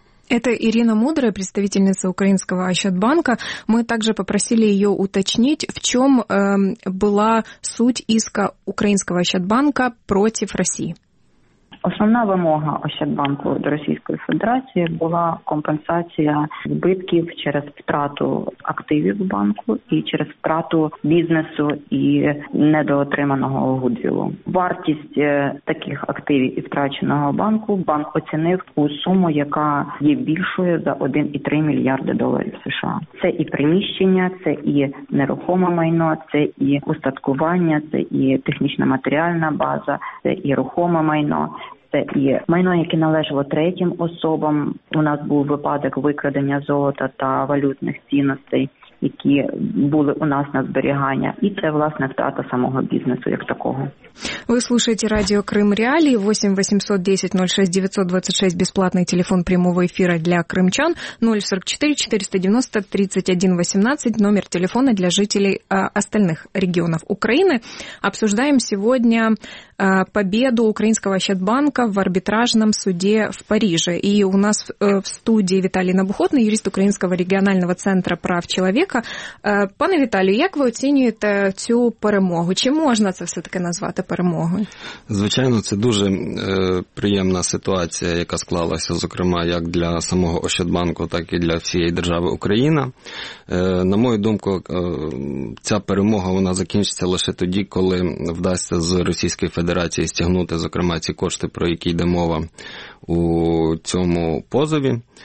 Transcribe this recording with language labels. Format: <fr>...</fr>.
<ru>Это Ирина Мудрая, представительница украинского Ощадбанка. Мы также попросили ее уточнить, в чем была суть иска украинского Ощадбанка против России.</ru> <uk>Основна вимога Ощадбанку до Російської Федерації була компенсація збитків через втрату активів банку і через втрату бізнесу і недоотриманого гудвілу. Вартість таких активів і втраченого банку банк оцінив у суму, яка є більшою за 1,3 мільярди доларів США. Це і приміщення, це і нерухоме майно, це і устаткування, це і технічно-матеріальна база, це і рухоме майно. Це і майно, яке належало третім особам. У нас був випадок викрадення золота та валютних цінностей які були у нас на зберігання. І це, власне, втрата самого бізнесу як такого. Ви слухаєте радіо «Крим Реалії». 8 810 06 926 – безплатний телефон прямого ефіру для кримчан.</uk> <ru>044 490 31 18 – номер телефона для жителей остальных регионов Украины. Обсуждаем сегодня победу украинского Ощадбанка в арбитражном суде в Париже. И у нас в студии Виталий Набухотный, юрист Украинского регионального центра прав человека.</ru> <uk>Пане Виталію, як ви оцінюєте цю перемогу? Чи можна це все-таки назвати перемогою? Звичайно, це дуже приємна ситуація, яка склалася, зокрема, як для самого Ощадбанку, так і для всієї держави Україна. На мою думку, ця перемога, вона закінчиться лише тоді, коли вдасться з Російської Федерації стягнути, зокрема, ці кошти, про які йде мова у цьому позові.</uk>